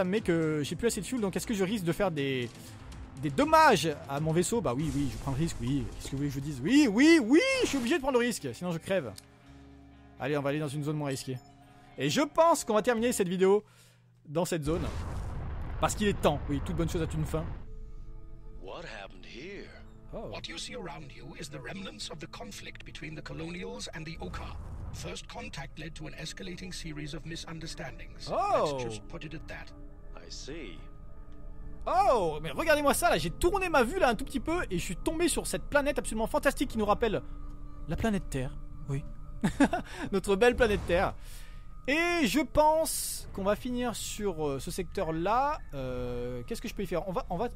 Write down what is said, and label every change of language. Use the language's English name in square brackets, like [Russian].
[French] Ça me met que j'ai plus assez de fuel. Donc, est-ce que je risque de faire des dommages à mon vaisseau? Bah oui, oui, je prends le risque. Oui, qu'est-ce que vous voulez que je dise? Oui, oui, oui, je suis obligé de prendre le risque. Sinon, je crève. Allez, on va aller dans une zone moins risquée. Et je pense qu'on va terminer cette vidéo dans cette zone. Parce qu'il est temps. Oui, toute bonne chose a une fin. [English] What happened here? Oh. What you see around you is the remnants of the conflict between the Colonials and the Oka. First contact led to an escalating series of misunderstandings. Oh. Let's just put it at that. I see. [French] Oh, mais regardez-moi ça là, j'ai tourné ma vue là un tout petit peu et je suis tombé sur cette planète absolument fantastique qui nous rappelle la planète Terre. Oui. Notre belle planète Terre. Et je pense qu'on va finir sur ce secteur-là. Qu'est-ce que je peux y faire? On va.